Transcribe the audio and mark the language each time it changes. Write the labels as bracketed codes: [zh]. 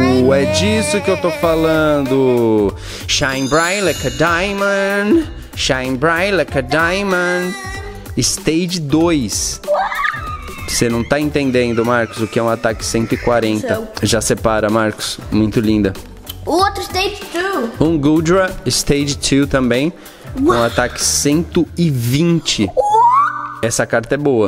[pt] É disso que eu tô falando. [en] Shine bright like a diamond. Shine bright like a diamond. Stage 2. [pt] Você não tá entendendo, Marcos, o que é um ataque 140. Já separa, Marcos. Muito linda. Outro Stage 2. Um Goodra Stage 2 também. Uau. Um ataque 120. Essa carta é boa.